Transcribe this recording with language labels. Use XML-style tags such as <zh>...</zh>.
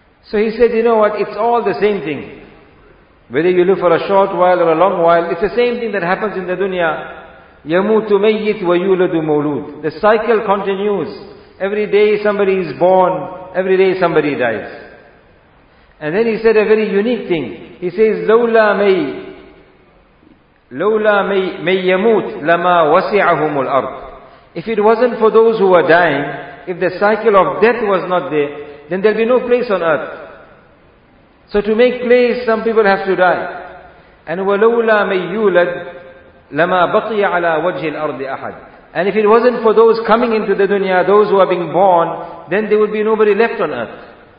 <en>So he said, you know what, it's all the same thing. Whether you live for a short while or a long while, it's the same thing that happens in the dunya.</en> <ar>يَمُوتُ مَيِّتْ وَيُولَدُ مَوْلُودُ.</ar> <en>The cycle continues. Every day somebody is born, every day somebody dies. And then he said a very unique thing. He says,</en> <ar>لَوْلَا مَيْ يَمُوتْ لَمَا وَسِعَهُمُ الْأَرْضِ.</ar> <en>If it wasn't for those who were dying, if the cycle of death was not there, then there'll be no place on earth. So to make place, some people have to die.</en> <ar>And وَلَوْلَا مَيْ يُولَدْ لَمَا بَقِيَ عَلَىٰ وَجْهِ الْأَرْضِ أَحَدٍ.</ar> <en>And if it wasn't for those coming into the dunya, those who are being born, then there would be nobody left on earth.</en>